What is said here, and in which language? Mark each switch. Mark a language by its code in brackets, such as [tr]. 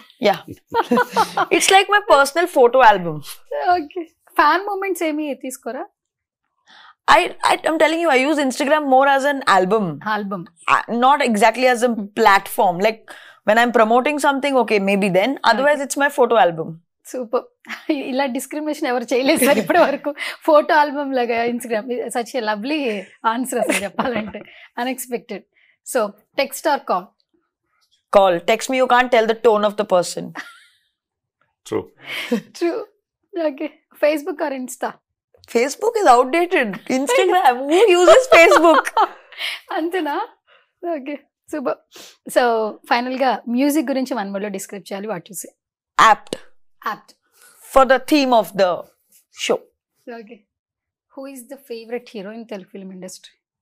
[en] Yeah. It's like my personal photo album. [te] Okay. Fan moments emi etiskora? [en] I'm telling you, I use Instagram more as an album. Album. Not exactly as a platform. Like when I'm promoting something, okay, maybe then. Otherwise, okay. It's my photo album. Super. [te] ఇలా discrimination ఎవరు చేయలేదు sir ఇప్పటి వరకు. Photo album లాగా Instagram. [en] such a lovely answer [te] అసలు చెప్పాలంటే. Unexpected. [en] So text or call? Call. Text me you can't tell the tone of the person. True. True. Okay. Facebook or Insta? Facebook is outdated. Instagram. Who uses Facebook? [te] అంతేనా? Okay, super. So ఫైనల్గా music గురించి 1 వర్డ్లో describe చేయాలి. [en] What you say? Apt. Apt. For the theme of the show. Okay. Who is the favorite hero in Telugu film industry?